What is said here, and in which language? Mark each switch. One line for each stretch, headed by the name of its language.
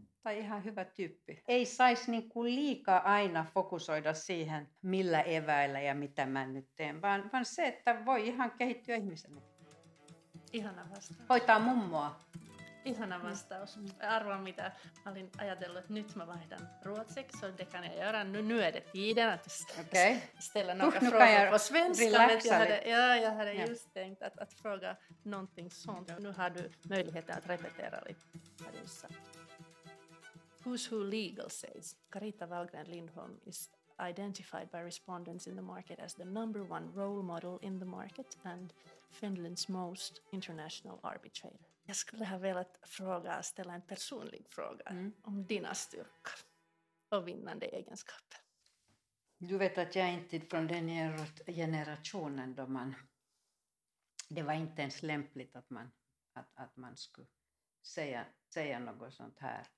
Finnish: tai ihan hyvä tyyppi. Ei saisi niin kuin liikaa aina fokusoida siihen, millä eväillä ja mitä mä nyt teen, vaan se, että voi ihan kehittyä ihmisenä. Ihana vastaus. Hoitaa mummoa. Ihana vastaus. Arvoin mitä. Mä olin ajatellut, että nyt mä vaihdan ruotsiksi. Se on dekan ja jöran nyöde tiiden. Okei.
Swedish: Ställa några frågor på svenska. Relaxade. Jag hade just tänkt att fråga någonting sånt. Nu har du möjlighet att repetera lite.
English: Who's Who Legal says, Carita Wahlgren Lindholm is identified by respondents in the market as the number one role model in the market and Finland's most international arbitrator.
Swedish: Jag skulle ha velat fråga, ställa en personlig fråga om dina styrkor och vinnande egenskaper. Du vet att jag inte är från den generationen då man, det var inte ens lämpligt att man, att man skulle säga något sånt här.